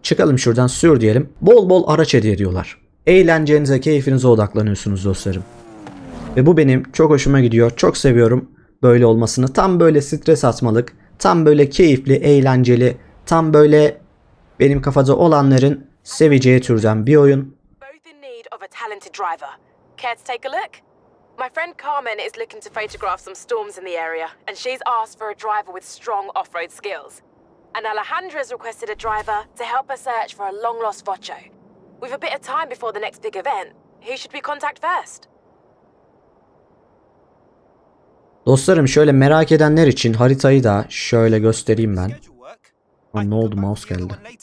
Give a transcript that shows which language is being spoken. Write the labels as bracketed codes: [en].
[tr] Çıkalım şuradan, sür diyelim. Bol bol araç hediye ediyorlar. Eğlencenize, keyfinize odaklanıyorsunuz dostlarım. Ve bu benim çok hoşuma gidiyor. Çok seviyorum böyle olmasını. Tam böyle stres atmalık, tam böyle keyifli, eğlenceli, tam böyle benim kafada olanların seveceği türden bir oyun. [en] Both in need of a talented driver. Care to take a look? My friend Carmen is looking to photograph some storms in the area and she's asked for a driver with strong off-road skills. And Alejandra has requested a driver to help her search for a long-lost Vocho. With a bit of time before the next big event, who should we contact first? [tr] Dostlarım şöyle merak edenler için haritayı da şöyle göstereyim ben. Aa, ne oldu, mouse geldi.